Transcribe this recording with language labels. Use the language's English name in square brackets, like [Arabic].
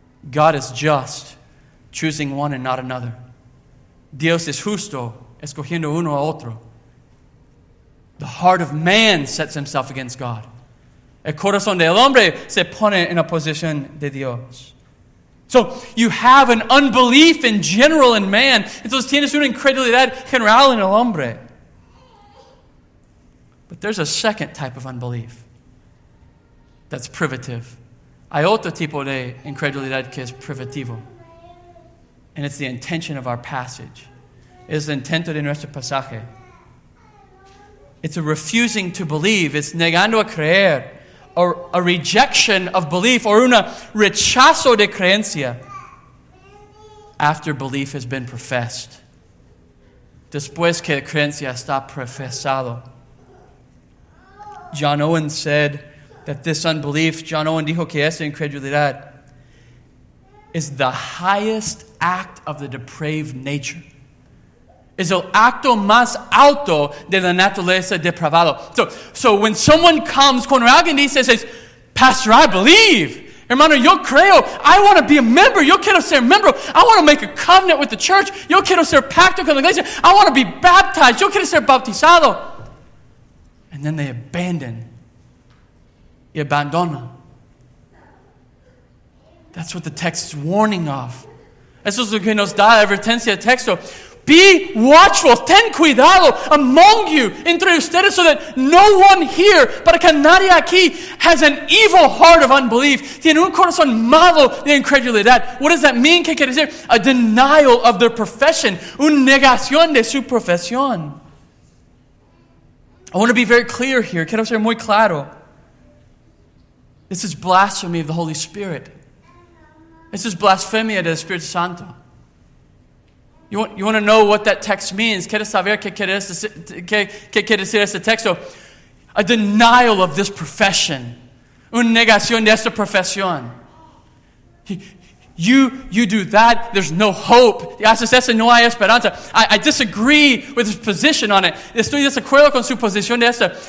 [English] God is just, choosing one and not another. [Spanish] Dios es justo, escogiendo uno a otro. [English] The heart of man sets himself against God. [Spanish] El corazón del hombre se pone en oposición de Dios. [English] So, you have an unbelief in general in man. [Spanish] Entonces tienes una incredulidad general en el hombre. [English] But there's a second type of unbelief that's privative. [Spanish] Hay otro tipo de incredulidad que es privativo. [English] And it's the intention of our passage. [Spanish] Es el intento de nuestro pasaje. [English] It's a refusing to believe. It's [Spanish] negando a creer. [English] Or a rejection of belief, or [Spanish] una rechazo de creencia, [English] after belief has been professed. [Spanish] Después que creencia está profesado. [English] John Owen said that this unbelief, [Spanish] John Owen dijo que esta incredulidad, [English] is the highest act of the depraved nature. [Spanish] Es el acto más alto de la naturaleza depravado. [English] So when someone comes, [Spanish] cuando alguien dice, [English] says, Pastor, I believe. [Spanish] Hermano, yo creo. [English] I want to be a member. [Spanish] Yo quiero ser miembro. [English] I want to make a covenant with the church. [Spanish] Yo quiero ser pacto con la iglesia. [English] I want to be baptized. [Spanish] Yo quiero ser bautizado. [English] And then they abandon. [Spanish] Y abandona. [English] That's what the text is warning of. [Spanish] Eso es lo que nos da la advertencia del texto. [English] Be watchful, [Spanish] ten cuidado [English] among you, [Spanish] entre ustedes, [English] so that no one here, [Spanish] para que nadie aquí, [English] has an evil heart of unbelief. [Spanish] Tiene un corazón malo de incredulidad. [English] What does that mean? [Spanish] ¿Qué quiere decir? [English] A denial of their profession. [Spanish] Una negación de su profesión. [English] I want to be very clear here. [Spanish] Quiero ser muy claro. [English] This is blasphemy of the Holy Spirit. This is [Spanish] blasfemia del Espíritu Santo. [English] You want to know what that text means? [Spanish] ¿Quieres saber qué quiere decir este texto? [English] A denial of this profession. [Spanish] Una negación de esta profesión. [English] You do that, there's no hope. [Spanish] Haces eso, no hay esperanza. [English] I disagree with his position on it. [Spanish] Estoy desacuerdo con su posición de esta.